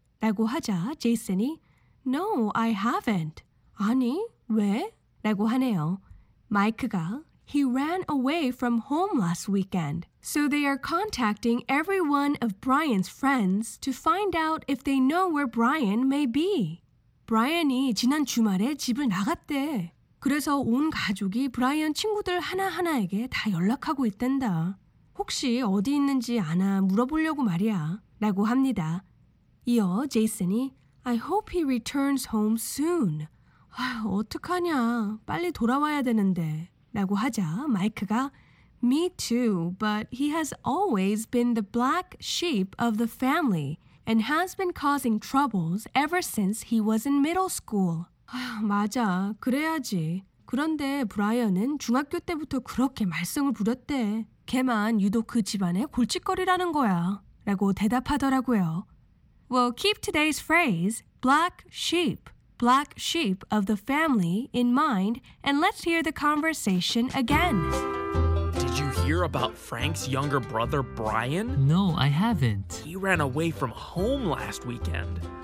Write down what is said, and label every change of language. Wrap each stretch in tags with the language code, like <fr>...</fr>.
<ko>라고 하자 제이슨이</ko> <en>No, I haven't.</en> <ko>아니, 왜? 라고 하네요. 마이크가</ko> <en>He ran away from home last weekend. So they are contacting every one of Brian's friends to find out if they know where Brian may be.</en> <ko>Brian이 지난 주말에 집을 나갔대. 그래서 온 가족이 브라이언 친구들 하나하나에게 다 연락하고 있단다. 혹시 어디 있는지 아나 물어보려고 말이야. 라고 합니다. 이어 제이슨이</ko> <en>I hope he returns home soon.</en> <ko>아휴, 어떡하냐. 빨리 돌아와야 되는데. 라고 하자 마이크가</ko> <en>Me too, but he has always been the black sheep of the family and has been causing troubles ever since he was in middle school.</en> <ko>아휴, 맞아. 그래야지. 그런데 브라이언은 중학교 때부터 그렇게 말썽을 부렸대. 걔만 유독 그 집안의 골칫거리라는 거야. 라고 대답하더라고요.</ko> <en>Well, keep today's phrase, black sheep of the family, in mind, and let's hear the conversation again. Did you hear about Frank's younger brother, Brian? No, I haven't. He ran away from home last weekend.</en>